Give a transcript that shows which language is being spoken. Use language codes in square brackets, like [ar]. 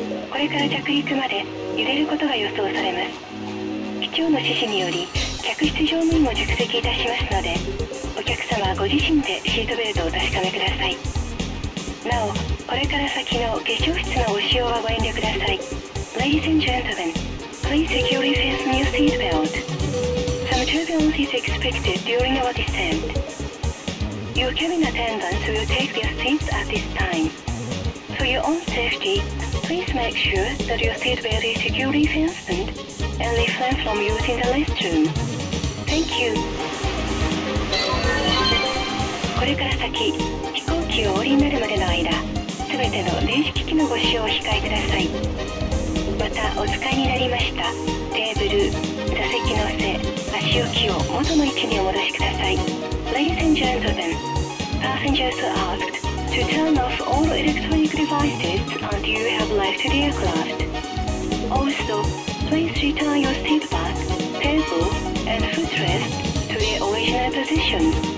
[ja] これから着陸まで揺れることが予想されます。機長の指示により客室乗務員も着席いたしますので、お客様ご自身でシートベルトを確かめください。なお、これから先の化粧室のご使用はご遠慮ください。 [en] Ladies and gentlemen, please securely fasten your seat belt. Some turbulence is expected during our descent. Your cabin attendants will take their seats at this time. For your own safety, please make sure that your seat belt is securely fastened and refrain from using the restroom. Thank you. [ja] これから先、飛行機をお降りになるまでの間、すべての電子機器のご使用を控えください。また、お使いになりましたテーブル、座席の背、足置きを元の位置にお戻しください。 [en] Ladies and gentlemen, passengers are asked to turn off all electronic devices until you have left the aircraft. Also, please return your seat back, table, and footrest to their original position.